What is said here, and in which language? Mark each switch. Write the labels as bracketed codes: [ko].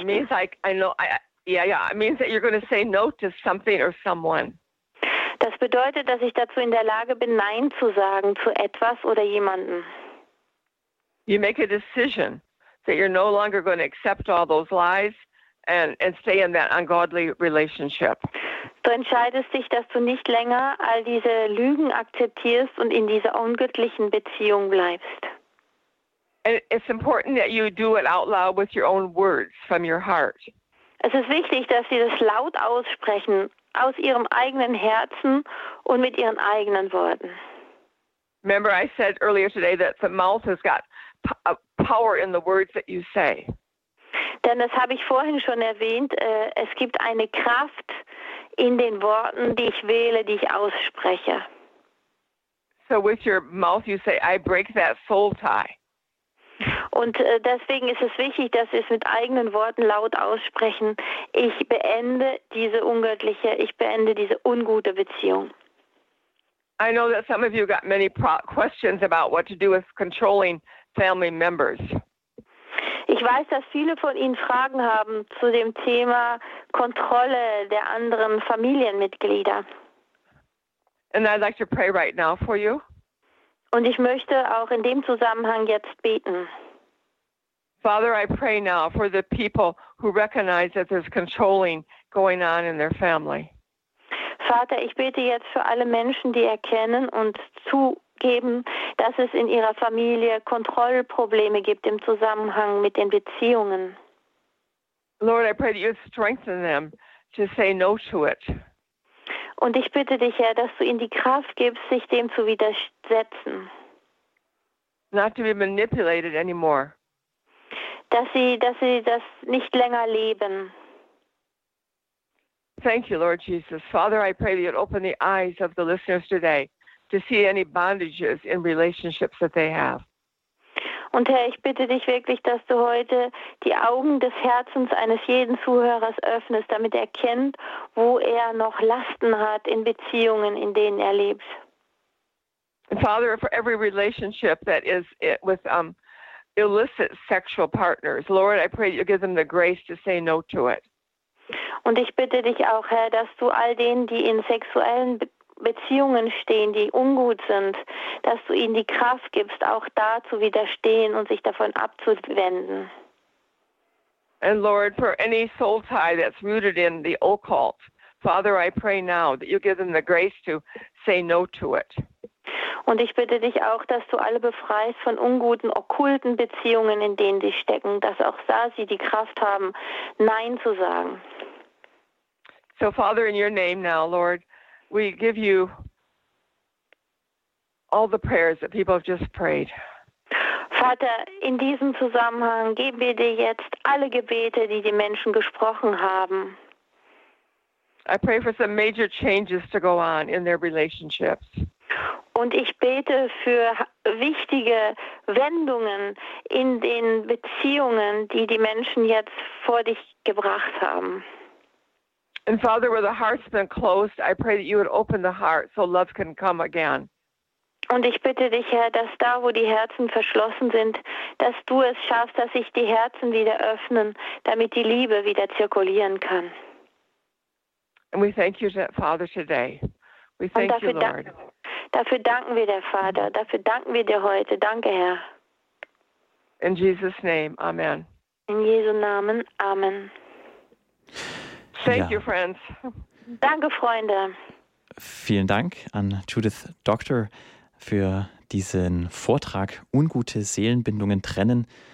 [en] It means it means that you're going to say no to something or someone. [de] Das bedeutet, dass ich dazu in der Lage bin, Nein zu sagen zu etwas oder jemanden. [en] You make a decision that you're no longer going to accept all those lies and stay in that ungodly relationship. [de] Du entscheidest dich, dass du nicht länger all diese Lügen akzeptierst und in dieser ungöttlichen Beziehung bleibst. [en] And it's important that you do it out loud with your own words from your heart. [de] Es ist wichtig, dass sie das laut aussprechen aus ihrem eigenen Herzen und mit ihren eigenen Worten. [en] Remember, I said earlier today that the mouth has got power in the words that you say. [de] Denn das habe ich vorhin schon erwähnt. Es gibt eine Kraft in den Worten, die ich wähle, die ich ausspreche. [en] So with your mouth you say, I break that soul tie. [de] Und deswegen ist es wichtig, dass wir es mit eigenen Worten laut aussprechen. Ich beende diese ungute Beziehung. [en] I know that some of you got many questions about what to do with controlling family members. [de] Ich weiß, dass viele von Ihnen Fragen haben zu dem Thema Kontrolle der anderen Familienmitglieder. [en] And I'd like to pray right now for you. [de] Und ich möchte auch in dem Zusammenhang jetzt beten. [en] Father, I pray now for the people who recognize that there's controlling going on in their family. [de] Vater, ich bete jetzt für alle Menschen, die erkennen und zugeben, dass es in ihrer Familie Kontrollprobleme gibt im Zusammenhang mit den Beziehungen. [en] Lord, I pray that you strengthen them to say no to it. [de] Und ich bitte dich, Herr, dass du ihnen die Kraft gibst, sich dem zu widersetzen. [en] Not to be manipulated anymore. [de] Dass sie das nicht länger leben. [en] Thank you, Lord Jesus. Father, I pray that you'd open the eyes of the listeners today to see any bondages in relationships that they have. [de] Und Herr, ich bitte dich wirklich, dass du heute die Augen des Herzens eines jeden Zuhörers öffnest, damit er kennt, wo er noch Lasten hat in Beziehungen, in denen er lebt. [en] Father, for every relationship that is with illicit sexual partners, Lord, I pray that you give them the grace to say no to it. [de] Und ich bitte dich auch, Herr, dass du all denen, die in sexuellen Beziehungen stehen, die ungut sind, dass du ihnen die Kraft gibst, auch da zu widerstehen und sich davon abzuwenden. [en] And Lord, for any soul tie that's rooted in the occult, Father, I pray now that you give them the grace to say no to it. [de] Und ich bitte dich auch, dass du alle befreist von unguten, okkulten Beziehungen, in denen sie stecken, dass auch da sie die Kraft haben, Nein zu sagen. [en] So, Father, in your name now, Lord, we give you all the prayers that people have just prayed. [de] Vater, in diesem Zusammenhang geben wir dir jetzt alle Gebete, die die Menschen gesprochen haben. [en] I pray for some major changes to go on in their relationships. [de] Und ich bete für wichtige Wendungen in den Beziehungen, die die Menschen jetzt vor dich gebracht haben. [en] And Father, where the heart's been closed, I pray that you would open the heart so love can come again. [de] Und ich bitte dich, Herr, dass da, wo die Herzen verschlossen sind, dass du es schaffst, dass sich die Herzen wieder öffnen, damit die Liebe wieder zirkulieren kann. [en] And we thank you, Father, today. We thank you, Lord. [de] Dafür danken wir dir, Vater. Dafür danken wir dir heute. Danke, Herr. [en] In Jesus' name, Amen. [de] In Jesu Namen, Amen. [en] Thank you, friends. [de] Danke, Freunde. Vielen Dank an Judith Doctor für diesen Vortrag Ungute Seelenbindungen trennen.